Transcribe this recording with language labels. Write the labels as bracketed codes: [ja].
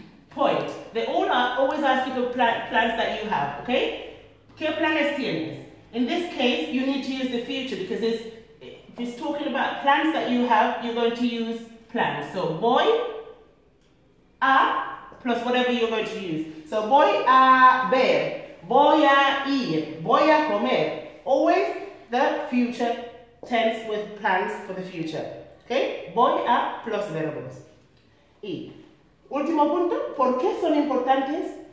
[en] Point. The owner always asks you for plans that you have, okay? [es] ¿Qué planes tienes? [en] In this case, you need to use the future because it's, he's talking about plans that you have, you're going to use plans. So voy a, plus whatever you're going to use. So [es] voy a ver, voy a ir, voy a comer. [en] Always the future tense with plans for the future. Okay? [es] Voy a [en] plus [es] verbos. Y último punto, ¿por qué son importantes?